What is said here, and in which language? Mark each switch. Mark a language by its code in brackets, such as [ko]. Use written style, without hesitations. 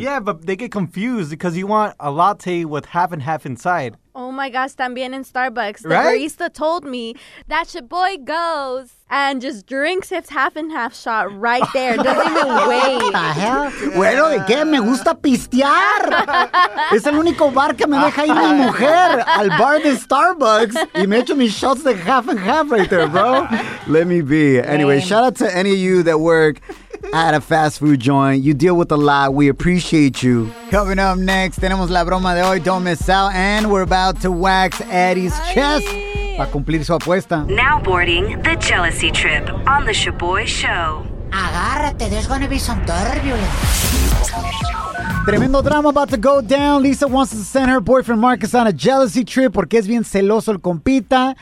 [en] Yeah, but they get confused because you want a latte with half and half inside. Oh, my gosh. También in Starbucks. The right? barista told me that your boy goes and just drinks his half and half shot right there. Doesn't even wait. What the hell? [es] Bueno, ¿de qué? Me gusta pistear. Es el único bar que me deja ir mi mujer al bar de Starbucks. Y me echo mis [en] shots de half and half right there, bro. Let me be. Anyway, shout out to any of you that work at a fast food joint. You deal with a lot. We appreciate you. Coming up next, [es] tenemos la broma de hoy. [en] Don't miss out. And we're about to wax Eddie's chest. [es] Para cumplir su apuesta. [en] Now boarding the Jealousy Trip on the Shaboy Show. [es] Agárrate, [en] there's going to be some turbulence. Tremendo drama about to go down. Lisa wants to send her boyfriend Marcus on a jealousy trip [es] porque es bien celoso el compita.